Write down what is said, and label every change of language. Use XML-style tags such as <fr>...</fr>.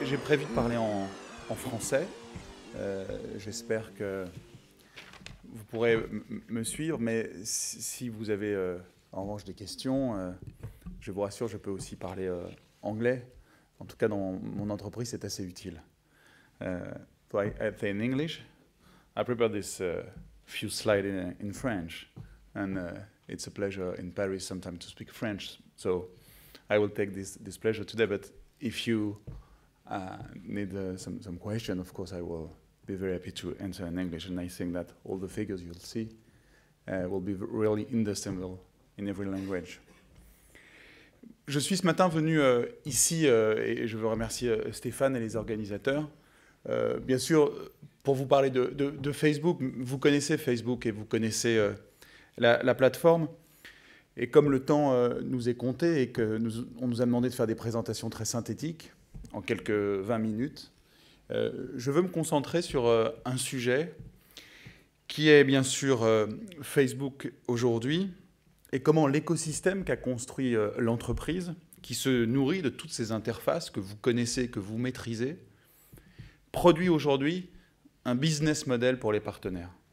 <fr>très vite parler en français. J'espère que vous pourrez me suivre, mais si vous avez en revanche des questions, je vous rassure, je peux aussi parler anglais. En tout cas, dans mon entreprise, c'est assez utile.</fr> <en>So I say in English. I prepared this few slides in French, and it's a pleasure in Paris sometimes to speak French. So I will take this pleasure today. But if you need some question, of course, I will be very happy to answer in English. And I think that all the figures you'll see will be really understandable in every language.</en> <fr>Je suis ce matin venu ici et je veux remercier Stéphane et les organisateurs. Bien sûr, pour vous parler de Facebook, vous connaissez Facebook et vous connaissez la plateforme. Et comme le temps nous est compté et qu'on nous a demandé de faire des présentations très synthétiques, en quelques 20 minutes, je veux me concentrer sur un sujet qui est bien sûr Facebook aujourd'hui et comment l'écosystème qu'a construit l'entreprise, qui se nourrit de toutes ces interfaces que vous connaissez, que vous maîtrisez, produit aujourd'hui un business model pour les partenaires.</fr>